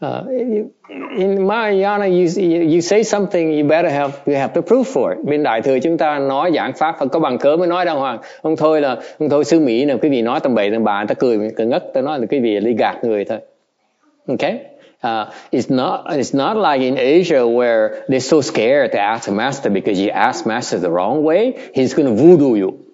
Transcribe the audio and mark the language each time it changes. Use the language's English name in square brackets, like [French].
[English] in Mahayana, you say something, you have to prove for it. [Vietnamese] Bên Đại Thừa chúng ta nói giảng pháp phải có bằng cớ mới nói đàng hoàng. Không thôi sư Mỹ nào, quý vị nói tầm bậy tầm bạ, ta cười cứ ngất, ta nói là quý vị đi gạt người thôi. [English] Okay? It's not like in Asia where they're so scared to ask a master because you ask master the wrong way, he's gonna voodoo you.